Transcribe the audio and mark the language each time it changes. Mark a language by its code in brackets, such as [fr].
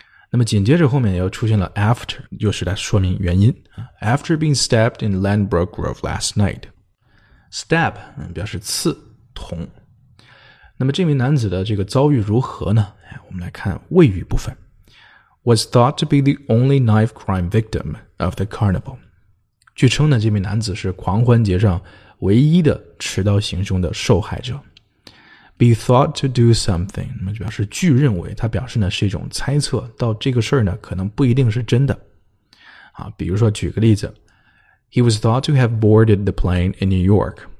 [zh] 那么紧接着后面又出现了 after, 又是来说明原因。 [en] After being stabbed in Ladbroke Grove last night. Stab, [zh] 表示刺捅。那么这名男子的这个遭遇如何呢，我们来看谓语部分。 [en] Was thought to be the only knife crime victim of the carnival. [zh] 据称呢，这名男子是狂欢节上唯一的持刀行凶的受害者。 [en] Be thought to do something, [zh] 那么就表示据认为，他表示呢是一种猜测，到这个事儿呢可能不一定是真的。啊，比如说举个例子 [en] ，He was thought to have boarded the plane in New York.